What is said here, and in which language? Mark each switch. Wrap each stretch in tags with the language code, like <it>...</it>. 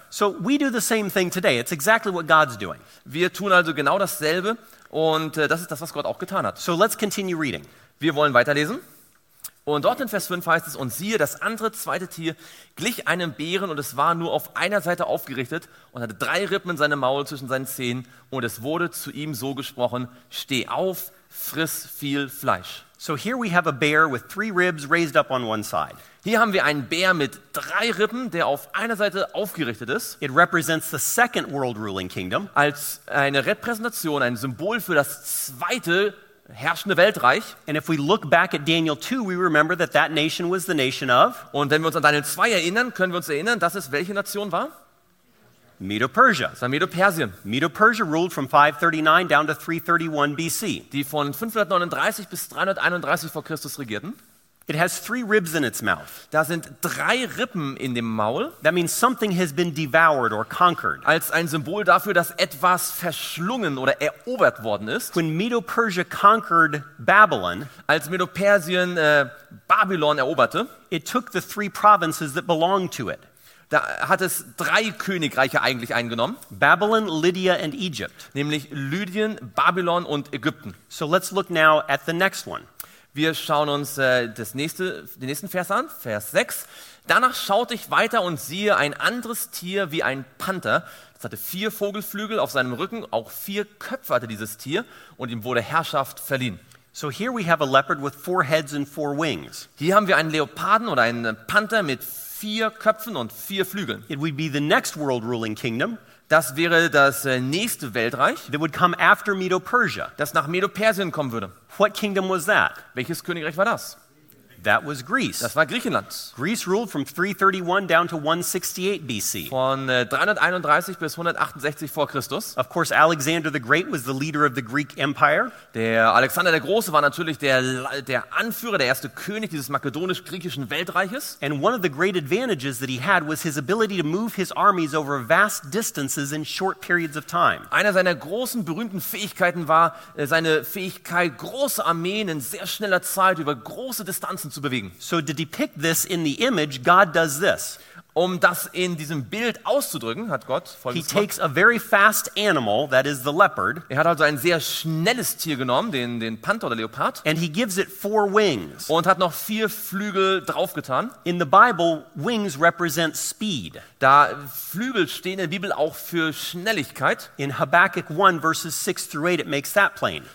<en>So we do the same thing today. It's exactly what God's doing.</en> <de>Wir tun also genau dasselbe und das ist das, was Gott auch getan hat.</de> <en>So let's continue reading.</en> <de>Wir wollen weiterlesen. Und dort in Vers 5 heißt es, und siehe, das andere, zweite Tier glich einem Bären und es war nur auf einer Seite aufgerichtet und hatte drei Rippen in seinem Maul zwischen seinen Zähnen und es wurde zu ihm so gesprochen, steh auf, friss viel Fleisch.</de> <en>So here we have a bear with three ribs raised up on one side.</en> <de>Hier haben wir einen Bär mit drei Rippen, der auf einer Seite aufgerichtet ist.</de> <en>It represents the second world ruling kingdom.</en> <de>Als eine Repräsentation, ein Symbol für das zweite herrschende Weltreich.</de> <en>And if we look back at Daniel 2, we remember that that nation was the nation of.</en> <de>Und wenn wir uns an Daniel 2 erinnern, können wir uns erinnern, dass es welche Nation war?</de> <en>Medo-Persia.</en> <de>Das war Medo-Persien.</de> <en>Medo-Persia ruled from 539 down to 331 BC.</en> <de>Die von 539 bis 331 vor Christus regierten.</de> <en>It has three ribs in its mouth.</en> <de>Da sind drei Rippen in dem Maul.</de> <en>That means something has been devoured or conquered.</en> <de>Als ein Symbol dafür, dass etwas verschlungen oder erobert worden ist.</de> <en>When Medo-Persia conquered Babylon,</en> <de>als Medo-Persien Babylon eroberte,</de> <en>it took the three provinces that belonged to it.</en> <de>Da hat es drei Königreiche eigentlich eingenommen.</de> <en>Babylon, Lydia and Egypt.</en> <de>Nämlich Lydien, Babylon und Ägypten.</de> <en>So let's look now at the next one.</en> <de>Wir schauen uns den nächsten Vers an, Vers 6. Danach schaute ich weiter und siehe ein anderes Tier wie ein Panther. Es hatte vier Vogelflügel auf seinem Rücken, auch vier Köpfe hatte dieses Tier und ihm wurde Herrschaft verliehen.</de> <en>So here we have a leopard with four heads and four wings.</en> <de>Hier haben wir einen Leoparden oder einen Panther mit vier Köpfen und vier Flügeln.</de> <en>It would be the next world ruling kingdom.</en> <de>Das wäre das nächste Weltreich.</de> <en>That would come after Medo-Persia.</en> <de>Das nach Medo-Persien kommen würde.</de> <en>What kingdom was that?</en> <de>Welches Königreich war das?</de> <en>That was Greece.</en> <de>Das war Griechenland.</de> <en>Greece ruled from 331 down to 168 BC.</en> <de>Von 331 bis 168 vor Christus.</de> <en>Of course, Alexander the Great was the leader of the Greek Empire.</en> <de>Der Alexander der Große war natürlich der Anführer, der erste König dieses makedonisch-griechischen Weltreiches.</de> <en>And one of the great advantages that he had was his ability to move his armies over vast distances in short periods of time.</en> <de>Einer seiner großen berühmten Fähigkeiten war seine Fähigkeit, große Armeen in sehr schneller Zeit über große Distanzen zu bewegen.</de> <en>So to depict this in the image, God does this.</en> <de>um das in diesem Bild auszudrücken, hat Gott</de> <en>He takes a very fast animal, that is the leopard.</en> <de>Er hat also ein sehr schnelles Tier genommen, den Panther oder Leopard.</de> <en>And he gives it four wings.</en> <de>Und hat noch vier Flügel draufgetan.</de> <en>In the Bible, wings represent speed.</en> <de>Da Flügel stehen in der Bibel auch für Schnelligkeit.</de> <en>In Habakkuk 1, verses 6 through 8, it makes that plain.</en>